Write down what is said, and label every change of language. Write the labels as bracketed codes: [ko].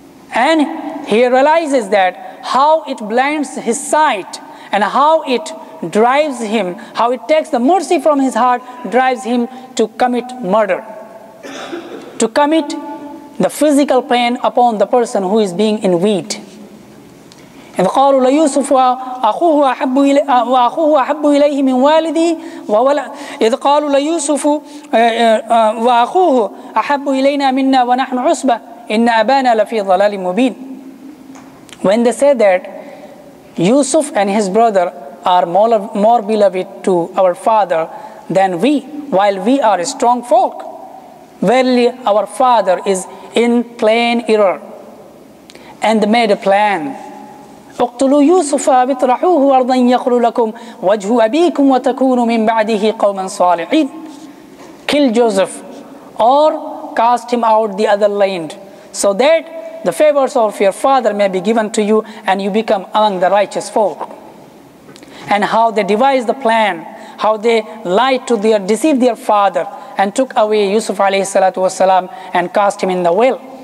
[en] And he realizes that how it blinds his sight and how it drives him, how it takes the mercy from his heart, drives him to commit murder, to commit the physical pain upon the person who is being envied. [ar] إذ قالوا ليوسف وأخوه أحب إليه من والدي إذ قالوا ليوسف وأخوه أحب إلينا منا ونحن عصبة إن أبانا لفي ضلال مبين. [en] When they say that Yusuf and his brother are more beloved to our father than we, while we are a strong folk, verily our father is in plain error and made a plan. [ar] اقتلوا يوسف اطرحوه ارضا يخل لكم وجه ابيكم وتكونوا من بعده قوما صالحين. [en] Kill Joseph or cast him out the other land so that the favors of your father may be given to you and you become among the righteous folk. And how they devised the plan, how they lied to their, deceived their father and took away Yusuf alayhi salatu wasalam and cast him in the well.